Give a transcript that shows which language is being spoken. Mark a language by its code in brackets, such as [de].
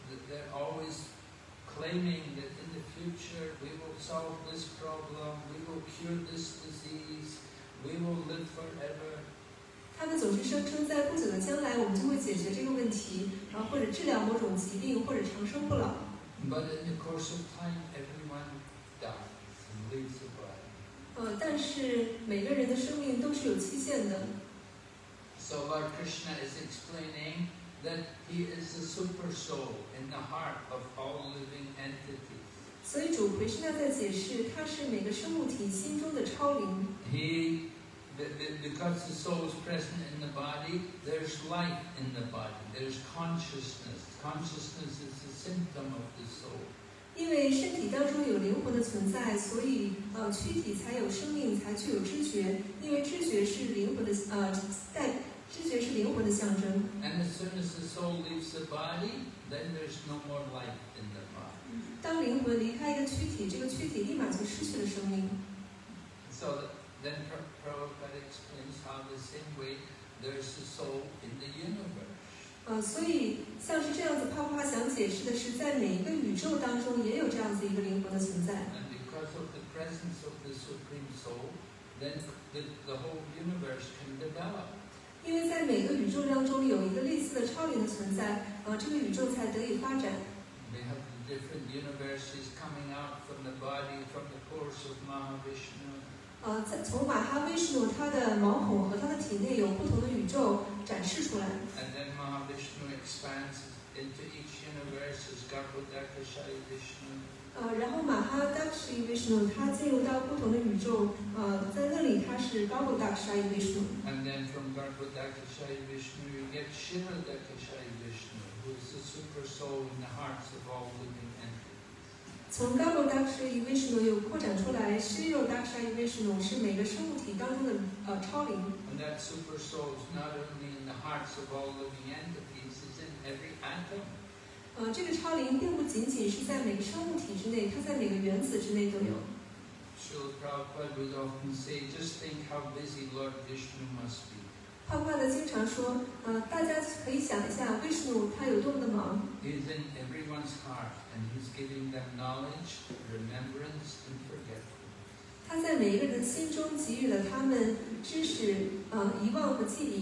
[en] They're always claiming that in the future we will solve this problem, we will cure this disease, we will live forever. [zh] 他们总是声称在不久的将来我们就会解决这个问题，然后或者治疗某种疾病，或者长生不老。 [en] But in the course of time, everyone dies and leaves the body. [zh] 但是每个人的生命都是有期限的。 [en] So Lord Krishna is explaining that he is the super soul in the heart of all living entities. [zh] 所以主回师那在解释，他是每个生物体心中的超灵。 [en] Because the soul is present in the body, there's light in the body. There's consciousness. Consciousness is a symptom of the soul. [zh] 因为身体当中有灵魂的存在，所以躯体才有生命，才具有知觉。因为知觉是灵魂的知觉是灵魂的象征。 [en] And as soon as the soul leaves the body, then there's no more light in the body. [zh] 当灵魂离开一个躯体，这个躯体立马就失去了生命。 [en] Then Prabhupada explains how the same way there's a soul in the universe. [zh] 所以像是这样子，帕帕想解释的是，在每一个宇宙当中也有这样子一个灵魂的存在。 [en] And because of the presence of the supreme soul, then the whole universe can develop. [zh] 因为在每个宇宙当中有一个类似的超灵的存在，这个宇宙才得以发展。 [en] We have different universes coming out from the body, from the course of Mahavishnu. [zh] 从马哈维什努他的毛孔和他的体内有不同的宇宙展示出来。 [en] And then Mahavishnu expands into each universe as Garbhodakshayi Vishnu. [zh] 然后马哈达克什维什努他进入到不同的宇宙，在那里他是 Garbhodakshayi Vishnu. [en] And then from Garbhodakshayi Vishnu you get Shivadakshayi Vishnu, who is the super soul in the hearts of all living entities. [zh] 从 Garbha Daksha Vishnu 又扩展出来 Shiro Daksha Vishnu 是每个生物体当中的超灵。 [en] And that super soul is not only in the hearts of all living entities, it's in every atom. [zh] 这个超灵并不仅仅是在每个生物体之内，它在每个原子之内都有。 [en] Srila Prabhupada would often say, just think how busy Lord Vishnu must be. He's in everyone's heart and he's giving them knowledge, remembrance, and forgetfulness.